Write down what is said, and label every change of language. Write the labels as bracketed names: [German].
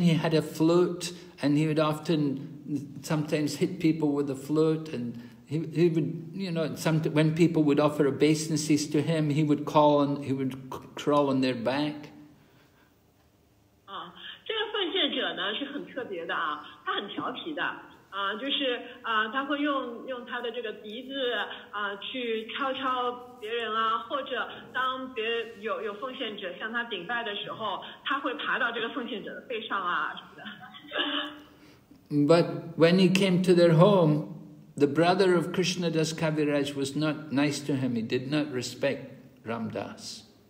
[English] He had a flute, and he would often sometimes hit people with a flute. And he would, you know, when people would offer obeisances to him, he would call on, he would crawl on their back. [Chinese] 这个奉献者呢是很特别的他很调皮的就是他会用他的这个鼻子去敲敲别人或者当别人有奉献者向他顶拜的时候，他会爬到这个奉献者的背上什么的。 [English] But when he came to their home, the brother of Krishnadas Kaviraj was not nice to him. He did not respect Ramdas.